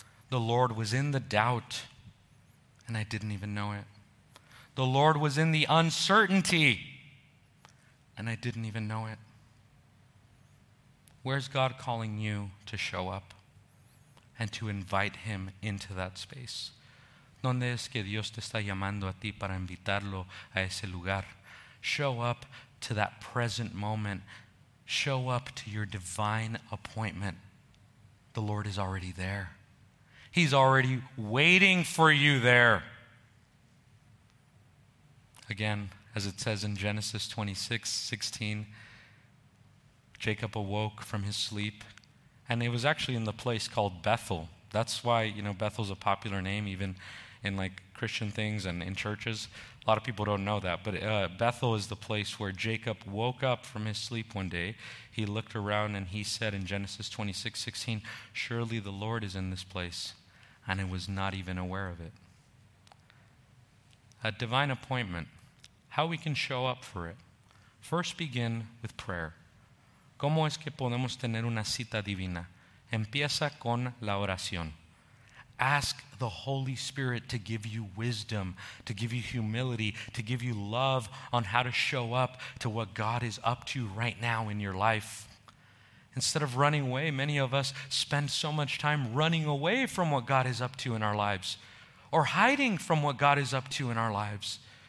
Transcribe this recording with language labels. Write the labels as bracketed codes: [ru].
[en] The Lord was in the doubt, and I didn't even know it. The Lord was in the uncertainty, and I didn't even know it. Where's God calling you to show up and to invite him into that space? [es] ¿Dónde es que Dios te está llamando a ti para invitarlo a ese lugar? [en] Show up to that present moment. Show up to your divine appointment. The Lord is already there. He's already waiting for you there. Again, as it says in Genesis 26:16, Jacob awoke from his sleep, and it was actually in the place called Bethel. That's why, you know, Bethel's a popular name even in like Christian things and in churches. A lot of people don't know that, but Bethel is the place where Jacob woke up from his sleep one day. He looked around and he said in Genesis 26:16, "Surely the Lord is in this place." And I was not even aware of it. A divine appointment, how we can show up for it. First begin with prayer. [es] ¿Cómo es que podemos tener una cita divina? Empieza con la oración. [en] Ask the Holy Spirit to give you wisdom, to give you humility, to give you love on how to show up to what God is up to right now in your life. Instead of running away, many of us spend so much time running away from what God is up to in our lives or hiding from what God is up to in our lives.